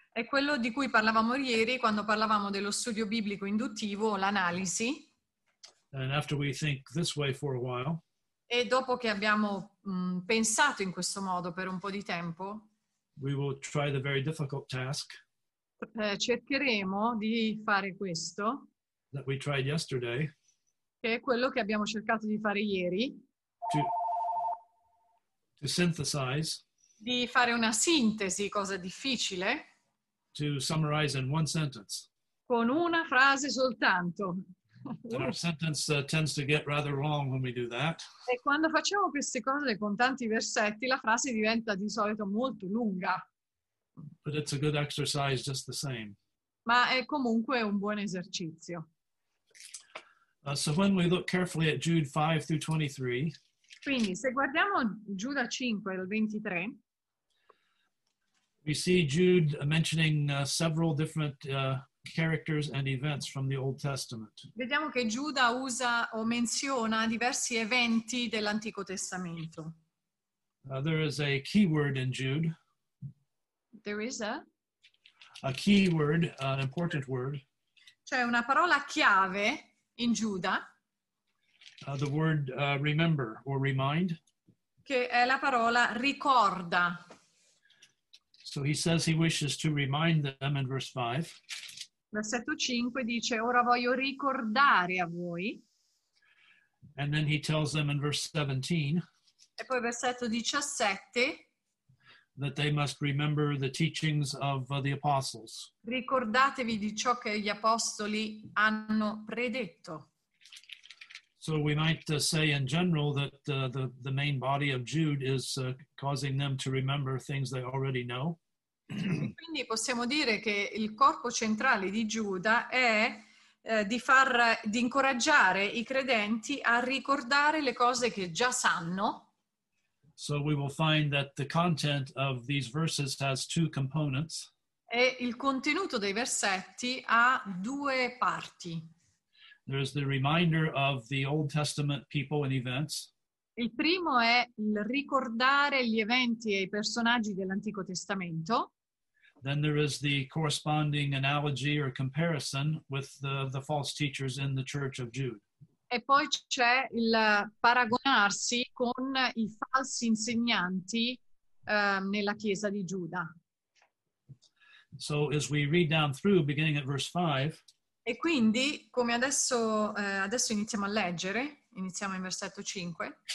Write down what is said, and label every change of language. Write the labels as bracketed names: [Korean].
[Italian] È quello di cui parlavamo ieri quando parlavamo dello studio biblico induttivo, l'analisi. [English] And after we think this way for a while, [Italian] e dopo che abbiamo pensato in questo modo per un po' di tempo, [English] we will try the very difficult task, [Italian] cercheremo di fare questo, [English] that we tried yesterday, [Italian] che è quello che abbiamo cercato di fare ieri, [English] to synthesize, [Italian] di fare una sintesi, cosa difficile, [English] to summarize in one sentence. [Italian] Con una frase soltanto. [English] Our sentence tends to get rather long when we do that. [Italian] E quando facciamo queste cose con tanti versetti, la frase diventa di solito molto lunga. [English] But it's a good exercise just the same. [Italian] Ma è comunque un buon esercizio. [English] So when we look carefully at Jude 5 through 23. [Italian] Quindi se guardiamo Giuda 5 al 23. [English] We see Jude mentioning several different characters and events from the Old Testament. [Italian] Vediamo che Giuda usa o menziona diversi eventi dell'Antico Testamento. [English] There is a key word in Jude. There is a? A key word, an important word. [Italian] Cioè una parola chiave in Giuda. [English] The word remember or remind. [Italian] Che è la parola ricorda. [English] So he says he wishes to remind them in verse 5. [Italian] Versetto 5 dice, ora voglio ricordare a voi. [English] And then he tells them in verse 17. [Italian] E poi versetto 17. [English] That they must remember the teachings of the apostles. [Italian] Ricordatevi di ciò che gli apostoli hanno predetto. [English] So we might say in general that the main body of Jude is causing them to remember things they already know. [Italian] Quindi possiamo dire che il corpo centrale di Giuda è di incoraggiare i credenti a ricordare le cose che già sanno. [English] So we will find that the content of these verses has two components. [Italian] E il contenuto dei versetti ha due parti. [English] There's the reminder of the Old Testament people and events. [Italian] Il primo è il ricordare gli eventi e i personaggi dell'Antico Testamento. [English] Then there is the corresponding analogy or comparison with the false teachers in the church of Jude. [Italian] E poi c'è il paragonarsi con i falsi insegnanti nella chiesa di Giuda. [English] So as we read down through, beginning at verse 5. [Italian] E quindi, come adesso iniziamo a leggere, iniziamo in versetto 5.